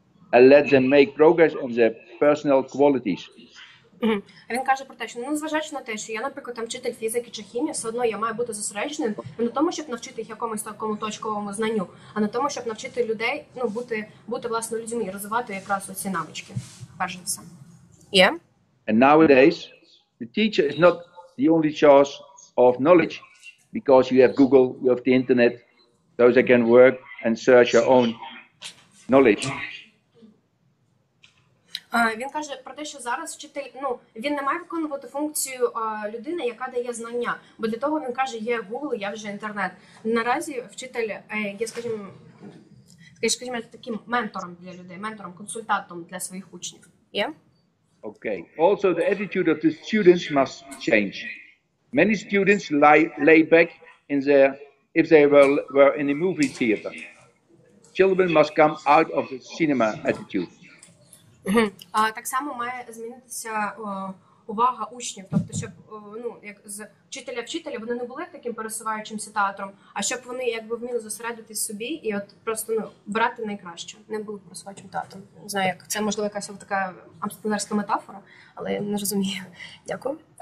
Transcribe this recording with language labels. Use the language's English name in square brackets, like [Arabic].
[English] And let them make progress on their personal qualities. [Ukrainian] Він каже про те, що незважаючи на те, що я, наприклад, там вчитель фізики чи хімії, все одно я маю бути зосереджений не на тому, щоб навчити їх якомусь такому точковому знанню, а на тому, щоб навчити людей бути власне людьми і розвивати якраз оці навички. Перш за все. [English] And nowadays the teacher is not the only source of knowledge, because you have Google, you have the internet, those that can work and search your own knowledge. [Ukrainian] Він каже про те, що зараз вчитель, він не має виконувати функцію людини, яка дає знання. Бо для того він каже, є Google, я вже інтернет. Наразі вчитель є, скажімо, таким ментором для людей, ментором, консультантом для своїх учнів. [English] Okay. Also the attitude of the students must change. Many students lay back in their, if they were in a movie theater. Children must come out of the cinema attitude. [Ukrainian] Так само має змінитися увага учнів, тобто щоб як з вчителя вони не були таким пересуваючимся театром, а щоб вони якби вміли зосередитись собі і брати найкраще, не були пересуваючим театром. Не знаю, як це можливо якась така амстернерська метафора, але я не розумію. Дякую.